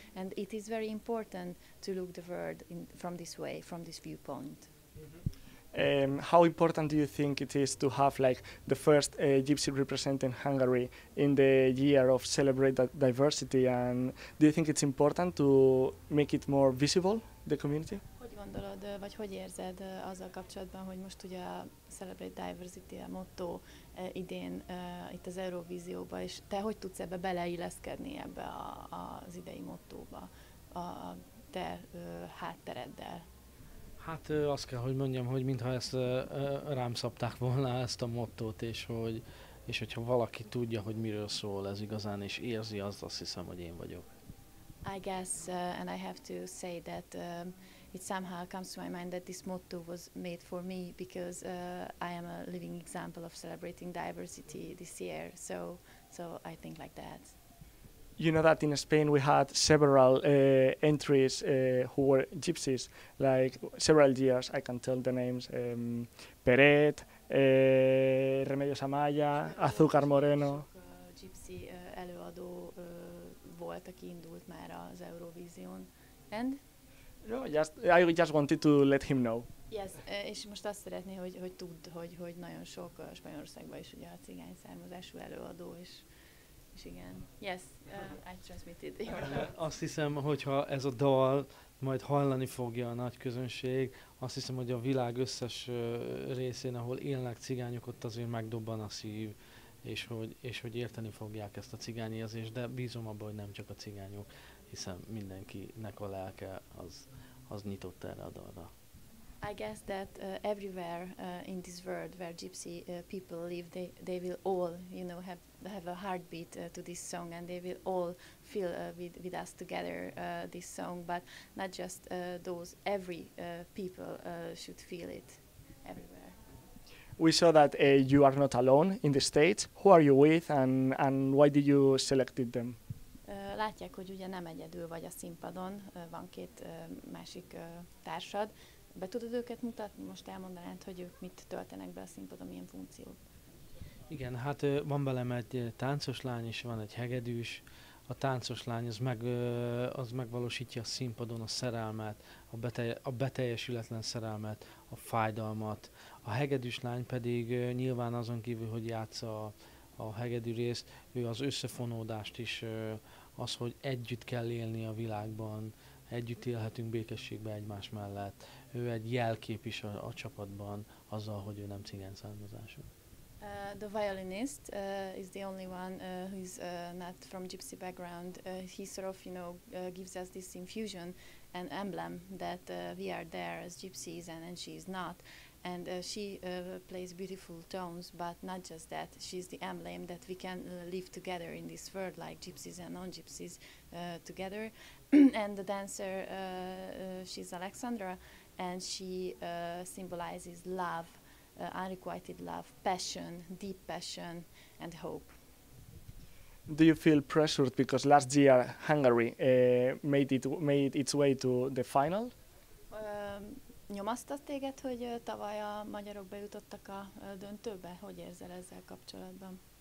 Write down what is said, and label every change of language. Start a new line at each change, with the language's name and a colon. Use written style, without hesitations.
English: And it is very important to look the world in from this way, from this viewpoint. Mm-hmm. How important do you think it is to have like the first gypsy representing Hungary in the year of celebrate diversity? And do you think it's important to make it more visible the community?
Hungarian: Gondolod, vagy hogy érzed azzal kapcsolatban, hogy most ugye a Celebrate Diversity a motto idén itt az Eurovízióba, és te hogy tudsz ebbe beleilleszkedni ebbe az idei mottóba a te háttereddel? Hát azt kell, hogy mondjam, hogy mintha ezt rám szabták volna ezt a mottót, és hogyha valaki tudja, hogy miről szól ez igazán, és érzi, azt hiszem, hogy én vagyok.
English: I guess, and I have to say that it somehow comes to my mind that this motto was made for me because I am a living example of celebrating diversity this year. So I think like that. You know that in Spain we had several entries who were gypsies, like several years, I can tell the names, Peret, Remedios Amaya, Azúcar Moreno.
Hungarian: Gypsy előadó volt, aki indult már az Eurovízión.
English: And? No, I just wanted to let him know.
Hungarian: Yes, és most azt szeretné, hogy tudd, hogy nagyon sok Spanyolországban is ugye a cigány származású előadó, és igen.
English: Yes, I transmitted your name.
Hungarian: Azt hiszem, hogyha ez a dal majd hallani fogja a nagy közönség, azt hiszem, hogy a világ összes részén, ahol élnek cigányok, ott azért megdobban a szív, és hogy érteni fogják ezt a cigányérzést, de bízom abban, hogy nem csak a cigányok. Hiszen mindenkinek a lelke az nyitott erre a dalra.
English: I guess that everywhere in this world where gypsy people live, they will all, you know, have a heartbeat to this song, and they will all feel with us together this song, but not just those, every people should feel it everywhere. We saw that you are not alone in the States. Who are you with, and why did you selected them?
Hungarian: Látják, hogy ugye nem egyedül vagy a színpadon, van két másik társad. Be tudod őket mutatni? Most elmondanád, hogy ők mit töltenek be a színpadon, milyen funkciót? Igen, hát van velem egy táncos lány, és van egy hegedűs. A táncos lány az megvalósítja a színpadon a szerelmet, a beteljesületlen szerelmet, a fájdalmat. A hegedűs lány pedig nyilván azon kívül, hogy játsza a hegedű részt, ő az összefonódást is, az, hogy együtt kell élni a világban, együtt élhetünk békességben egymás mellett. Ő egy jelkép is a csapatban, azzal, hogy ő nem cigány származású.
English: The violinist is the only one who is not from gypsy background. He sort of, you know, gives us this infusion and emblem that we are there as gypsies and she is not. And she plays beautiful tones, but not just that. She's the emblem that we can live together in this world, like gypsies and non-gypsies together. And the dancer, she's Alexandra, and she symbolizes love, unrequited love, passion, deep passion, and hope. Do you feel pressured because last year Hungary made its way to the final?
Hungarian: Nyomasztott téged, hogy tavaly a magyarok bejutottak a döntőbe? Hogy érzel ezzel kapcsolatban?